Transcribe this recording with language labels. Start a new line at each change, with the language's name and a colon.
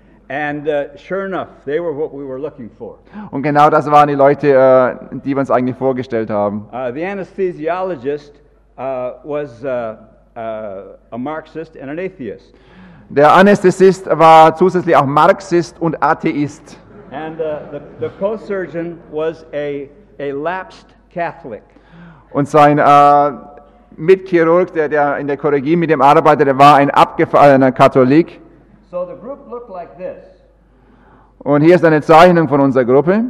English: And sure enough, they were what we were looking for.
German: Und genau das waren die Leute, die wir uns eigentlich vorgestellt haben.
English: The anesthesiologist was a Marxist and an atheist.
German: Der Anästhesist war zusätzlich auch Marxist und Atheist.
English: And the co-surgeon was a lapsed Catholic.
German: Und sein Mitchirurg, der in der Chirurgie mit dem arbeitete, war ein abgefallener Katholik.
English: So the group looked like this.
German: Und hier ist eine Zeichnung von unserer Gruppe.